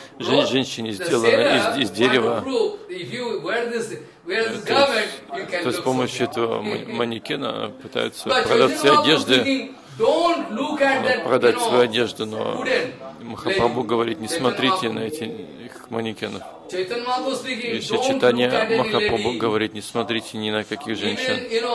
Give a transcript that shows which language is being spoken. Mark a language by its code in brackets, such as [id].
[ru] женщине сделано из дерева. [en] If you wear this, wear this garment, you can. [ru] То есть с помощью этого манекена пытаются продать свои одежды. Продать свою одежду, но Махапрабху говорит, не смотрите на этих манекенов. Если читание Махапрабху говорит, не смотрите ни на каких женщин,